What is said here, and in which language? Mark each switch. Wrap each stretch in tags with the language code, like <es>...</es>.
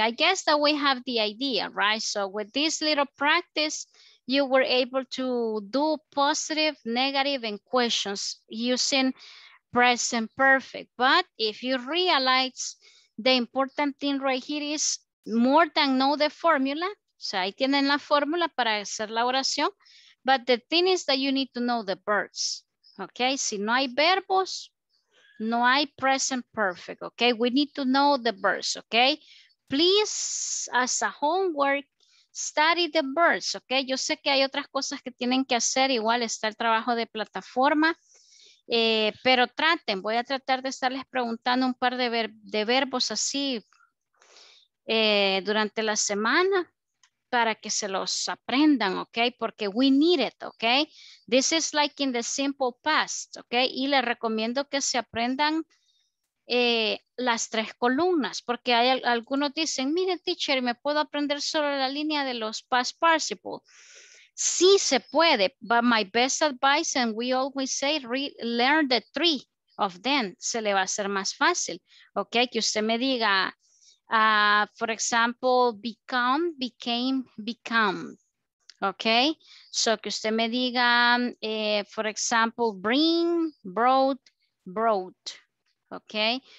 <en>I guess that we have the idea, right? So with this little practice, you were able to do positive, negative, and questions using present perfect. But if you realize the important thing right here is more than know the formula.</en> <es>So ahí tienen la fórmula para hacer la oración.</es> <en>But the thing is that you need to know the verbs. Okay,</en> <es>si no hay verbos, no hay</es> <en>present perfect. Okay, we need to know the verbs. Okay, please, as a homework, study the verbs.</en> <es>Okay, yo sé que hay otras cosas que tienen que hacer. Igual está el trabajo de plataforma. Pero traten, voy a tratar de estarles preguntando un par de verbos así durante la semana para que se los aprendan, okay? Porque</es> <en>we need it, okay? This is like in the simple past, okay?</en> <es>Y les recomiendo que se aprendan las tres columnas, porque hay algunos dicen, mire, teacher, ¿me puedo aprender solo la línea de los past participle? Sí se puede,</es> <en>but my best advice, and we always say, learn the three of them.</en> <es>Se le va a hacer más fácil, okay? Que usted me diga,</es> <en>for example,</en> <es>become, became, become, okay? So que usted me diga,</es> <en>for example,</en> <es>bring, brought, brought, okay?</es>